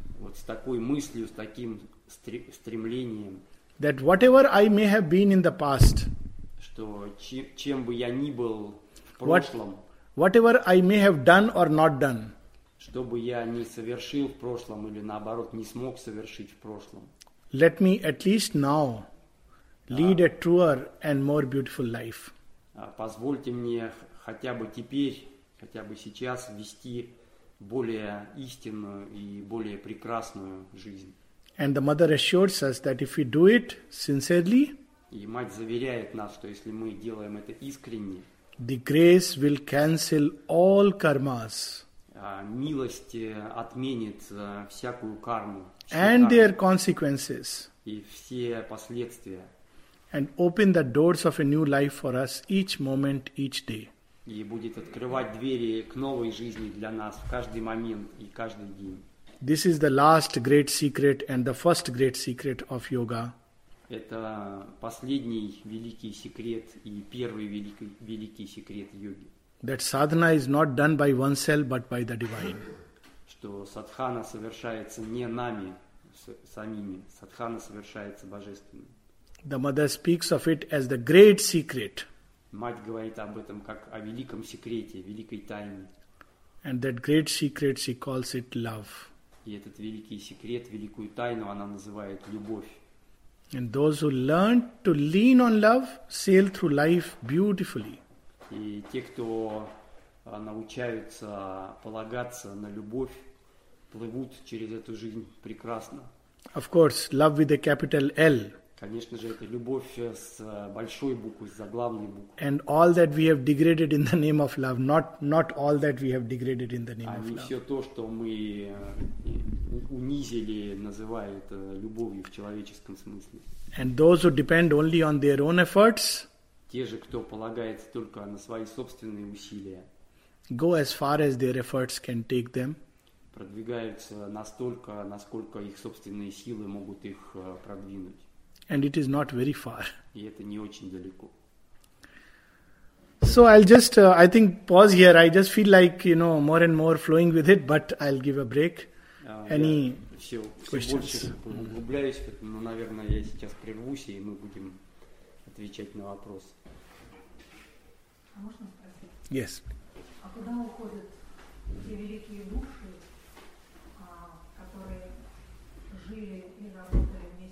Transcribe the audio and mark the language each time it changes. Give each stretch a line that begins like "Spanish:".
Russian: вот с такой мыслью, с таким стремлением,
English: that whatever I may have been in the past,
Russian: что чем бы я ни был в прошлом,
English: whatever I may have done or not done,
Russian: что бы я ни совершил в прошлом или наоборот не смог совершить в прошлом,
English: let me at least now lead a truer and more beautiful life.
Russian: Позвольте мне хотя бы теперь, хотя бы сейчас вести более истинную и более прекрасную жизнь.
English: And the mother assures us that if we do it sincerely,
Russian: и мать заверяет нас, что если мы делаем это искренне,
English: the grace will cancel all karmas.
Russian: Милость отменит всякую карму.
English: And their consequences.
Russian: И все последствия.
English: And open the doors of a new life for us each moment, each day.
Russian: И будет открывать двери к новой жизни для нас в каждый момент и каждый день.
English: This is the last great secret and the first great secret of yoga.
Russian: Это последний великий секрет и первый великий секрет йоги.
English: That sadhana is not done by oneself, but by the divine.
Russian: Что садхана совершается не нами самими, садхана совершается божественным.
English: The mother speaks of it as the great secret.
Russian: Мать говорит об этом как о великом секрете, великой тайне.
English: And that great secret, she calls it love.
Russian: И этот великий секрет, великую тайну, она называет любовь.
English: And those who learn to lean on love sail through life beautifully.
Russian: И те, кто научаются полагаться на любовь, плывут через эту жизнь прекрасно.
English: Of course, love with a capital L.
Russian: Конечно же, это любовь с большой буквы, с заглавной буквы.
English: And all that we have degraded in the name of love, not all that we have degraded in the name of love.
Russian: А все то, что мы унизили, называя это любовью в человеческом смысле.
English: And those who depend only on their own efforts,
Russian: те же, кто полагается только на свои собственные усилия,
English: go as far as their efforts can take them,
Russian: продвигаются настолько, насколько их собственные силы могут их продвинуть.
English: And it is not very far.
Russian: И это не очень далеко.
English: So I'll just, I think, pause here. I just feel like, you know, more and more flowing with it, but I'll give a break. Any questions?
Russian: Все больше углубляюсь, но, наверное, я сейчас прервусь, и мы будем отвечать на вопрос. А можно спросить?
English: Yes.
Russian: А куда уходят те великие души, которые жили и работали